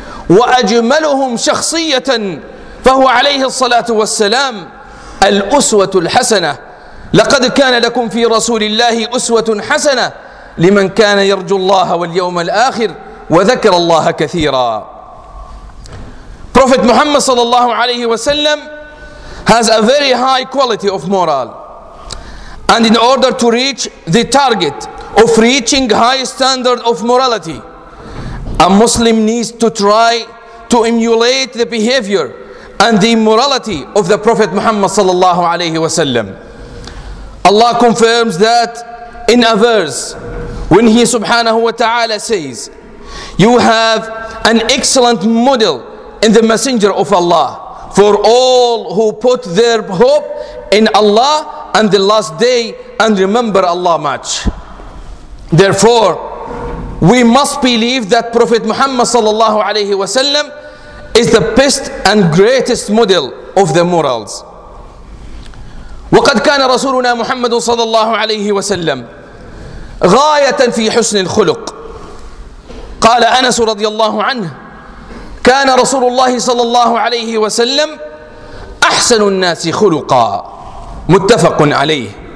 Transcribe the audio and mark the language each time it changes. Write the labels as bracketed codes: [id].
[ar] وأجملهم شخصية فهو عليه الصلاة والسلام الأسوة الحسنة لقد كان لكم في رسول الله أسوة حسنة لمن كان يرجو الله واليوم الآخر وذكر الله كثيرا [en] Prophet Muhammad sallallahu alayhi wa sallam has a very high quality of moral. And in order to reach the target of reaching high standard of morality, a Muslim needs to try to emulate the behavior and the morality of the Prophet Muhammad sallallahu alayhi wa sallam. Allah confirms that in a verse when He subhanahu wa ta'ala says, You have an excellent model in the Messenger of Allah for all who put their hope in Allah and the last day and remember Allah much. Therefore, we must believe that Prophet Muhammad sallallahu alayhi wa sallam is the best and greatest model of the morals. [ar] وقد كان رسولنا محمد صلى الله عليه وسلم غاية في حسن الخلق قال أنس رضي الله عنه كان رسول الله صلى الله عليه وسلم أحسن الناس خلقا متفق عليه.